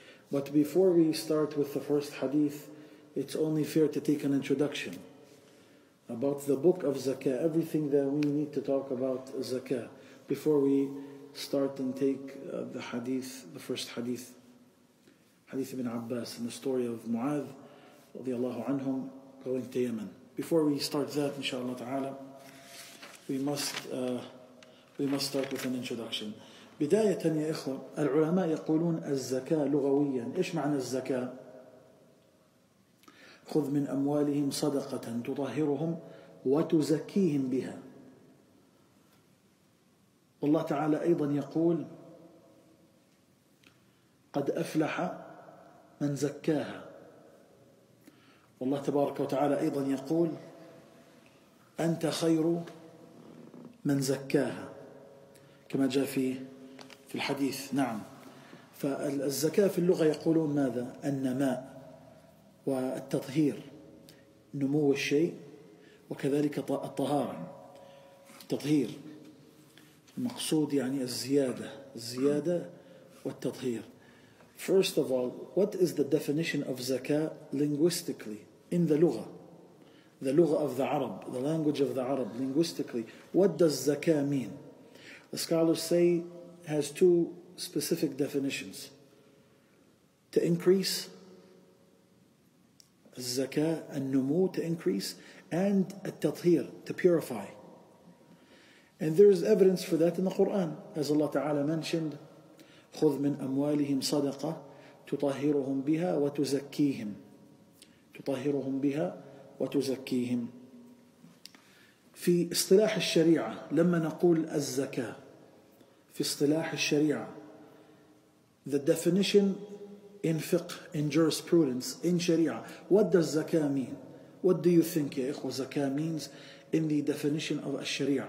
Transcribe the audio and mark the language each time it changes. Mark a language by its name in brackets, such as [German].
[English] But before we start with the first hadith, it's only fair to take an introduction about the book of Zakah, everything that we need to talk about Zakah, before we start and take the hadith, the first hadith, Hadith ibn Abbas, and the story of Mu'adh, [Arabic] رضي الله عنهم [English] going to Yemen. Before we start that, inshallah ta'ala, we must start with an introduction. [Arabic] بداية يا إخوة، العلماء يقولون الزكاة لغويا، إيش معنى الزكاة؟ خذ من أموالهم صدقة تطهرهم وتزكيهم بها. والله تعالى أيضا يقول قد أفلح من زكاها. والله تبارك وتعالى أيضا يقول أنت خير من زكاها، كما جاء في الحديث. نعم، فالزكاة في اللغة يقولون ماذا؟ النماء والتطهير، نمو الشيء، وكذلك الطهارة، التطهير، المقصود يعني الزيادة والتطهير. [English] First of all, what is the definition of zaka linguistically? In the lugha of the Arab, the language of the Arab, linguistically, what does zakah mean? The scholars say it has two specific definitions. To increase, zakah, al-numu, to increase, and al-tathir, to purify. And there is evidence for that in the Quran. As Allah Ta'ala mentioned, [Arabic] خُذْ مِنْ أَمْوَالِهِمْ صَدَقَةً تُطَهِّرُهُمْ بِهَا وَتُزَكِّيهِمْ. طهرهم بها وتزكيهم. في اصطلاح الشريعة لما نقول الزكاة في اصطلاح الشريعة [English] the definition in fiqh, in jurisprudence, in sharia, what does zakah mean? What do you think, ya ikhwa, zakah means in the definition of a sharia?